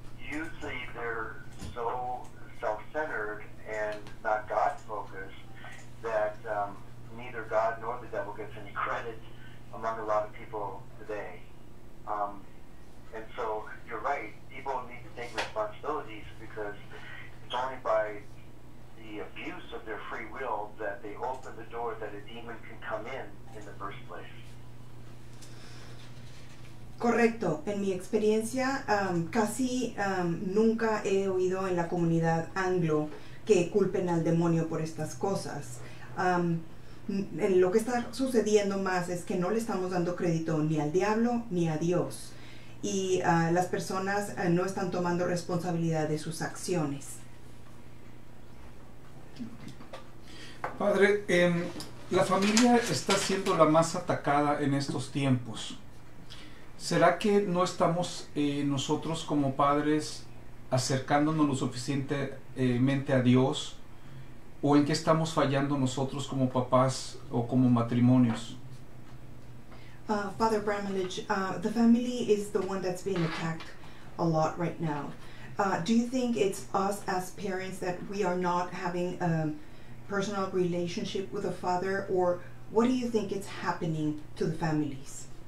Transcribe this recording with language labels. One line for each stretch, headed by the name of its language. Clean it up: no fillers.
English: Usually they're so self-centered and not God-focused that neither God nor the devil gets any credit among a lot of people today. And so you're right, people need to take responsibilities, because it's only by the abuse of their free will that they open the door that a demon can come in the first place.
Spanish: Correcto. En mi experiencia, casi nunca he oído en la comunidad anglo que culpen al demonio por estas cosas. Lo que está sucediendo más es que no le estamos dando crédito ni al diablo ni a Dios. Y las personas no están tomando responsabilidad de sus acciones. Padre, la familia está siendo la más atacada en estos tiempos. ¿Será que no estamos nosotros como padres acercándonos lo suficientemente a Dios o en qué estamos fallando nosotros como papás o como matrimonios.
English: Father Bramilich, the family is the one that's being attacked a lot right now. Do you think it's us as parents that we are not having a personal relationship with the father, or what do you think is happening to the families?